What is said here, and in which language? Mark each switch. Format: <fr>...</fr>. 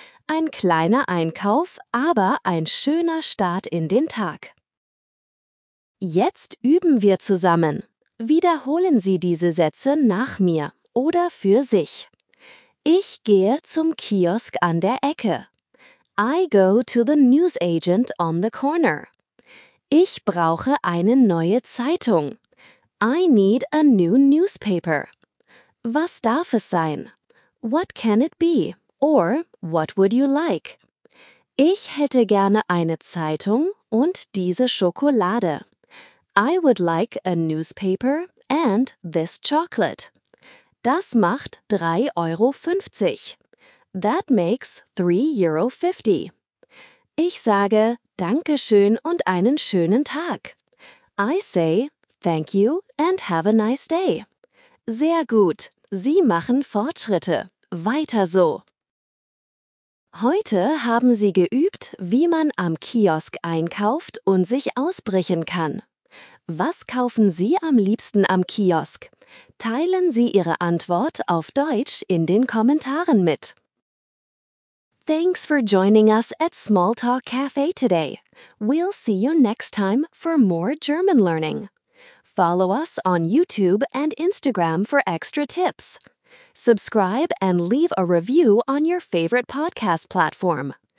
<de>Ein kleiner Einkauf, aber ein schöner Start in den Tag. Jetzt üben wir zusammen. Wiederholen Sie diese Sätze nach mir oder für sich. Ich gehe zum Kiosk an der Ecke.</de> <en>I go to the newsagent on the corner.</en> <de>Ich brauche eine neue Zeitung.</de> <en>I need a new newspaper.</en> <de>Was darf es sein?</de> <en>What can it be? Or what would you like?</en> <de>Ich hätte gerne eine Zeitung und diese Schokolade.</de> <en>I would like a newspaper and this chocolate.</en> <de>Das macht 3,50 €.</de> <en>That makes 3,50 €.</en> <de>Ich sage: Dankeschön und einen schönen Tag.</de> <en>I say: Thank you and have a nice day.</en> <de>Sehr gut. Sie machen Fortschritte. Weiter so. Heute haben Sie geübt, wie man am Kiosk einkauft und sich ausbrechen kann. Was kaufen Sie am liebsten am Kiosk? Teilen Sie Ihre Antwort auf Deutsch in den Kommentaren mit.</de> <en>Thanks for joining us at Smalltalk Cafe today. We'll see you next time for more German learning. Follow us on YouTube and Instagram for extra tips. Subscribe and leave a review on your favorite podcast platform.</en>